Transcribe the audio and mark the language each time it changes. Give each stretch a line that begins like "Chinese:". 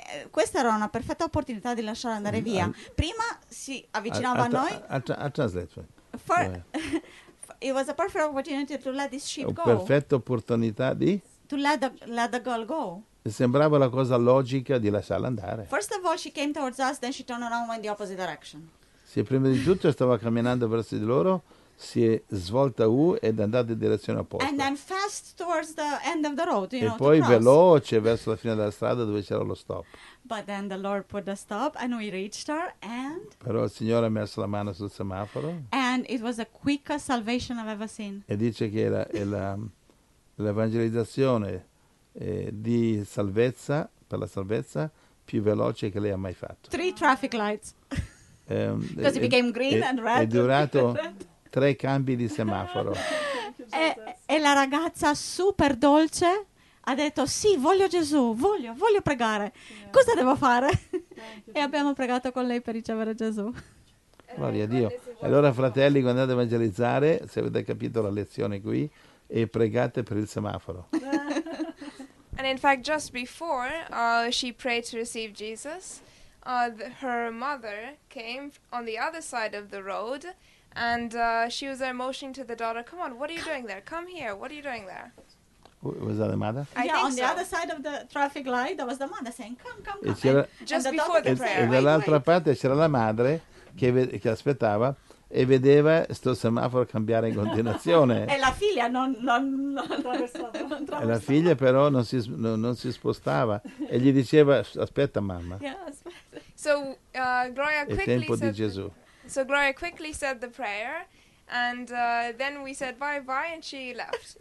Italian: questa era una perfetta opportunità di lasciare andare via. Prima si avvicinava a noi...
English: It was a perfect opportunity to let this sheep go.
Italian: Perfetta opportunità di...
English: To let the girl go.
Italian: Sembrava la cosa logica di lasciarla andare.
English: First of all, she came towards us, then she turned around in the opposite direction.
Italian: Sì, prima di tutto stava camminando verso di loro, si è svolta U ed è andata in direzione opposta.
English: And then fast towards the end of the road, you
Italian: e
English: know,
Italian: poi veloce verso la fine della strada dove c'era lo stop.
English: But then the Lord put the stop and we reached her and...
Italian: Però il Signore ha messo la mano sul semaforo.
English: And it was the quickest salvation I've ever seen.
Italian: E dice che era l'evangelizzazione... di salvezza, per la salvezza più veloce che lei ha mai fatto.
English: 3 traffic lights. Because it became green and red.
Italian: È durato 3 cambi di semaforo. e la ragazza super dolce ha detto sì, voglio Gesù, voglio pregare. Yeah. Cosa devo fare? E abbiamo pregato con lei per ricevere Gesù. Gloria a Dio. Allora fratelli, quando andate a evangelizzare, se avete capito la lezione qui, e pregate per il semaforo.
English: And in fact, just before she prayed to receive Jesus, her mother came on the other side of the road, and she was there motioning to the daughter, come on, what are you doing there? Come here, what are you doing there? Was that the mother? The other side of the traffic light, that was the mother saying, come. Just before the prayer.
Italian: E dall'altra parte c'era la madre che aspettava, e vedeva sto semaforo cambiare in continuazione. E la figlia non attraversava. E la figlia però non si spostava e gli diceva: aspetta mamma. Il tempo di Gesù.
English: So Gloria quickly said the prayer, and then we said bye bye, and she left.